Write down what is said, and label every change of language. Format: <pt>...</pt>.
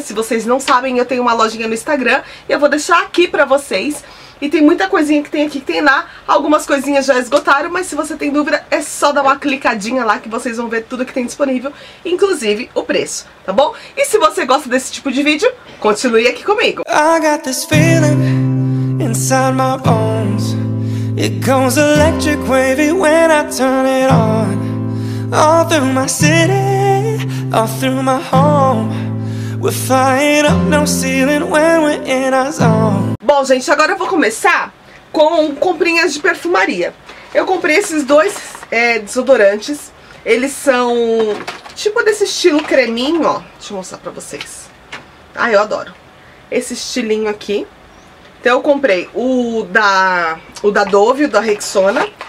<pt>Se vocês não sabem, eu tenho uma lojinha no Instagram e eu vou deixar aqui pra vocês. E tem muita coisinha que tem aqui, que tem lá. Algumas coisinhas já esgotaram, mas se você tem dúvida, é só dar uma clicadinha lá que vocês vão ver tudo que tem disponível, inclusive o preço, tá bom? E se você gosta desse tipo de vídeo, continue aqui comigo.</pt> <en>I got this feeling inside my bones. It goes electric wavy when I turn it on. All through my city, all through my home. We're flying up no ceiling when we're in our zone.</en> <pt>Bom, gente, agora eu vou começar com comprinhas de perfumaria. Eu comprei esses dois desodorantes. Eles são tipo desse estilo creminho, ó. Deixa eu mostrar pra vocês. Ah, eu adoro esse estilinho aqui. Então eu comprei o da Dove, o da Rexona.</pt>